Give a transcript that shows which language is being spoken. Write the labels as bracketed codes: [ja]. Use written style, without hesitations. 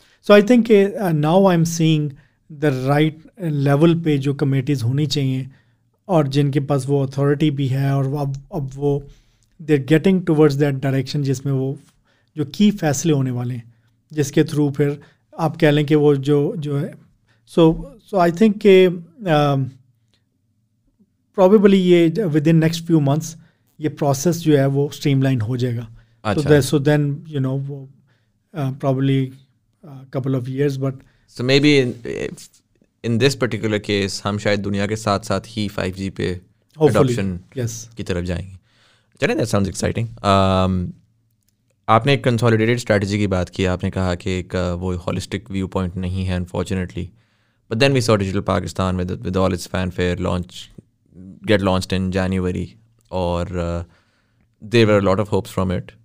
[en] so I think کہ now I am seeing the right level [ur] پہ جو committees ہونی چاہیے اور جن کے پاس وہ اتھارٹی بھی ہے اور اب وہ [en] they are getting towards that direction [ur] جس میں وہ جو کی فیصلے ہونے والے ہیں جس کے تھرو پھر آپ کہہ لیں کہ وہ جو ہے. [en] so I think [ur] کہ پروبیبلی یہ [en] within next few months [ur] یہ پروسیس جو ہے وہ اسٹریم لائن ہو جائے گا. [en] so then you know وہ probably couple of years but so maybe in this particular case [ur] ہم شاید دنیا کے ساتھ ساتھ ہی 5G پہ اڈاپشن کی طرف جائیں گے. چلیں, [en] That sounds exciting. [ur] آپ نے ایک کنسالیڈیٹڈ اسٹریٹجی کی بات کی, آپ نے کہا کہ ایک وہ ہولسٹک ویو پوائنٹ نہیں ہے [en] Unfortunately, but then we saw digital Pakistan with all its fanfare launch get launched in January اور there were lot of hopes from it.